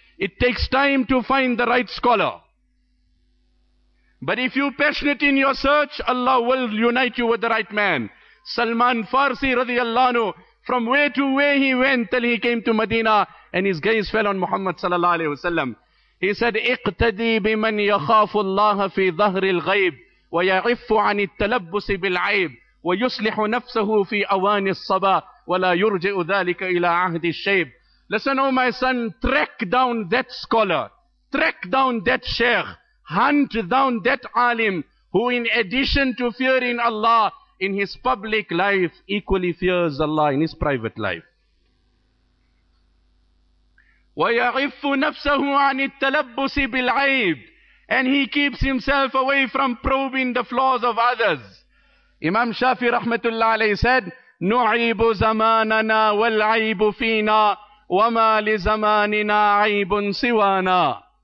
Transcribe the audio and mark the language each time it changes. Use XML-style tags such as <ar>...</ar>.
<en>It takes time to find the right scholar. But if you're passionate in your search, Allah will unite you with the right man. Salman Farsi radiallahu anhu, from where to where he went till he came to Medina, and his gaze fell on Muhammad sallallahu alaihi wasallam. He said,</en> <ar>اقتدي بمن يخاف الله في ظهر الغيب ويعف عن التلبس بالعيب ويصلح نفسه في أوان الصبا ولا يرجع ذلك إلى عهد الشيب.</ar> <en>Listen, oh my son, track down that scholar, track down that sheikh, hunt down that alim who in addition to fearing Allah in his public life equally fears Allah in his private life.</en> <ar>وَيَعِفُّ نَفْسَهُ عَنِ التَّلَبُّسِ بِالْعَيْبِ.</ar> <en>And he keeps himself away from probing the flaws of others. Imam Shafi rahmatullah alayhi said,</en> <ar>نُعِيبُ زَمَانَنَا وَالْعَيْبُ فِينَا وَمَا لِزَمَانِنَا عَيْبٌ سِوَانَا.</ar>